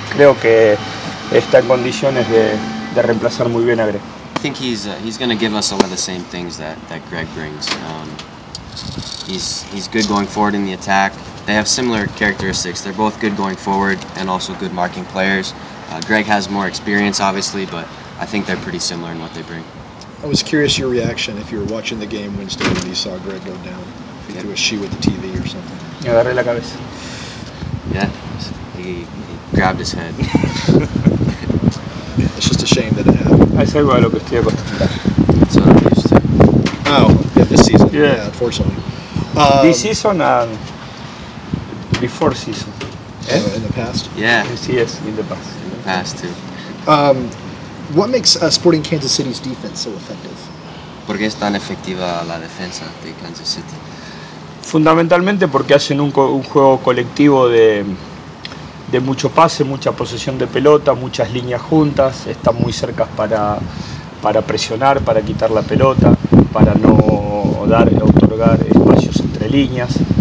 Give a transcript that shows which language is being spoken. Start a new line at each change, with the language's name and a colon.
Spanish: Creo que está en condiciones de reemplazar muy bien a Greg.
English: I think he's going to give us a lot of the same things that Greg brings. He's good going forward in the attack. They have similar characteristics. They're both good going forward and also good marking players. Greg has more experience, obviously, but I think they're pretty similar in what they bring. I was curious your reaction if you were watching the game Wednesday when you saw Greg go down. If he threw a shoe at the TV or something.
Spanish: Me agarré la cabeza.
English: Yeah, he grabbed his head. It's just a shame that it happened. I say well,
Spanish: lo que estoy acostumbrado.
English: That's what I'm used to. Oh, yeah, this season. Yeah, yeah, unfortunately. This season and before season. In the past? Yeah. Yes, in the past. In the past, too. What makes Sporting Kansas City's defense so effective?
Spanish: ¿Por qué es tan efectiva la defensa de Kansas City? Fundamentalmente porque hacen un juego colectivo de mucho pase, mucha posesión de pelota, muchas líneas juntas, están muy cercas para presionar, para quitar la pelota, para no otorgar espacios entre líneas.